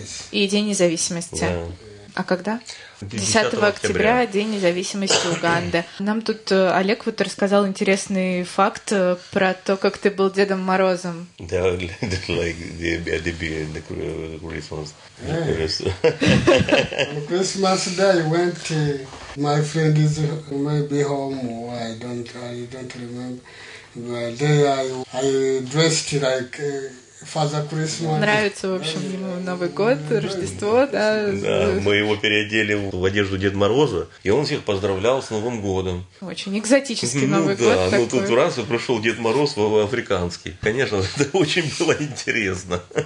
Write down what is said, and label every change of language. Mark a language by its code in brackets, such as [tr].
[ru] И День Независимости. А когда? 10 октября, День Независимости Уганды. Нам тут Олег вот рассказал интересный факт про то, как ты был Дедом Морозом. [en] Да, like the Christmas. On Christmas day, I went to my friend is maybe home, or I don't remember. [ru] Нравится, в общем, ему Новый год, Рождество, да? Да, мы его переодели в одежду Деда Мороза, и он всех поздравлял с Новым годом. Очень экзотический Новый год. Да, ну тут раз и пришел Дед Мороз в африканский. Конечно, это очень было интересно.